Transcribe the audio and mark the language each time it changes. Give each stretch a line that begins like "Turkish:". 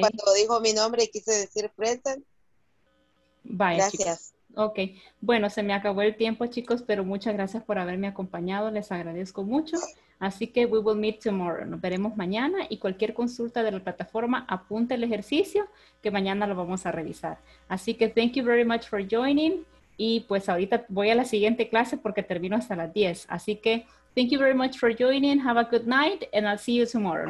Spanish: Cuando dijo mi nombre y quise decir present. Vaya. Gracias. Ok. Bueno, se me acabó el tiempo, chicos, pero muchas gracias por haberme acompañado. Les agradezco mucho. Así que
English: we will meet tomorrow.
Spanish: Nos veremos mañana y cualquier consulta de la plataforma, apunte el ejercicio que mañana lo vamos a revisar. Así que
English: thank you very much for joining.
Spanish: Y pues ahorita voy a la siguiente clase porque termino hasta las 10. Así que
English: thank you very much for joining. Have a good night and I'll see you tomorrow.